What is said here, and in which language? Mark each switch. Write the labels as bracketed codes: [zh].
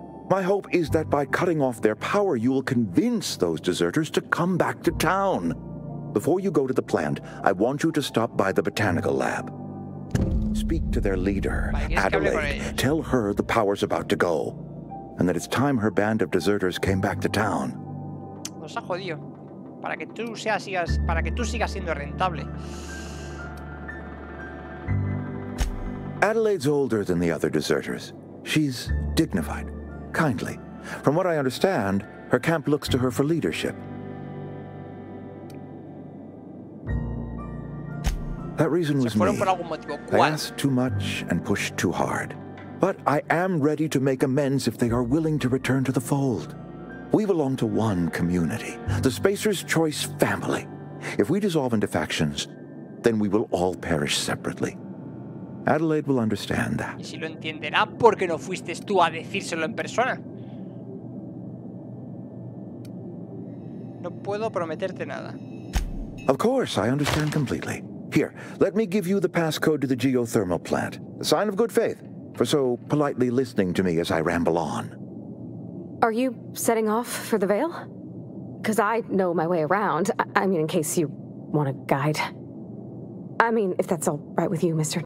[en] My hope is that by cutting off their power, you will convince those deserters to come back to town. Before you go to the plant, I want you to stop by the botanical lab. Speak to their leader, Adelaide. Tell her the power's about to go, and that it's time her band of deserters came back to town. [es] Nos ha jodido. Para que tú sigas siendo rentable. [en] Adelaide's older than the other deserters. She's dignified, kindly. From what I understand, her camp looks to her for leadership. That reason was me. I asked too much and pushed too hard. But I am ready to make amends if they are willing to return to the fold. We belong to one community, the Spacer's Choice family. If we dissolve into factions, then we will all perish separately. Adelaide will understand that. [es] Y si lo entenderá, ¿por qué no fuiste tú a decírselo en persona? No puedo prometerte nada. [en] Of course, I understand completely. Here, let me give you the passcode to the geothermal plant. A sign of good faith for so politely listening to me as I ramble on. Are you setting off for the Vale? Because I know my way around. I mean, in case you want a guide. I mean, if that's all right with you, Mr.